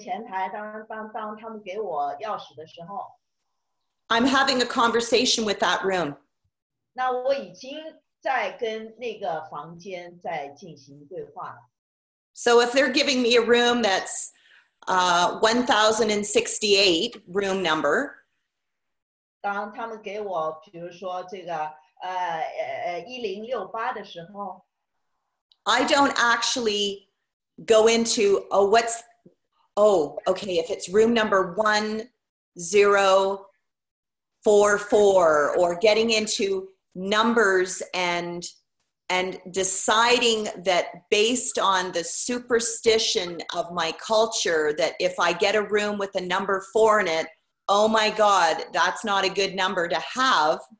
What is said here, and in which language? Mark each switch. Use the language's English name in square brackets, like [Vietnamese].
[Chinese] 所以当我在酒店前台，当他们给我钥匙的时候 [English] ，I'm having a conversation with that room. [Chinese] 那我已经在跟那个房间在进行对话了。So [English] if they're giving me a room that's 1068 room number, [Chinese] 当他们给我比如说这个1068的时候 [English] I don't actually go into okay, if it's room number 1044 or getting into numbers and deciding that based on the superstition of my culture, that if I get a room with a number 4 in it, oh my God, that's not a good number to have.